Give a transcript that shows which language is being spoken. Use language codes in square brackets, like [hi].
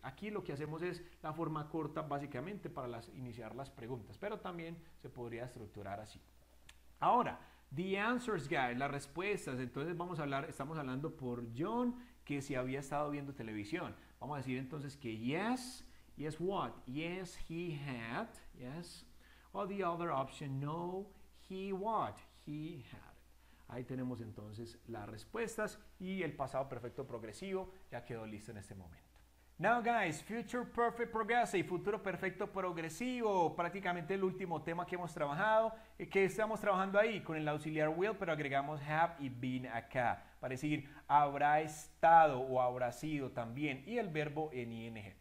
[es] Aquí lo que hacemos es la forma corta básicamente para iniciar las preguntas, pero también se podría estructurar así. Ahora, [en] the answers, guys, [es] las respuestas. Entonces vamos a hablar, estamos hablando por John, que si había estado viendo televisión. Vamos a decir entonces que [en] yes, yes what? Yes, he had, yes. Or the other option, no, he what? He had. [es] Ahí tenemos entonces las respuestas y el pasado perfecto progresivo ya quedó listo en este momento. [en] Now guys, future perfect progressive, [es] futuro perfecto progresivo, prácticamente el último tema que hemos trabajado, que estamos trabajando ahí con el auxiliar will, pero agregamos have y been acá, para decir habrá estado o habrá sido también, y el verbo en ing.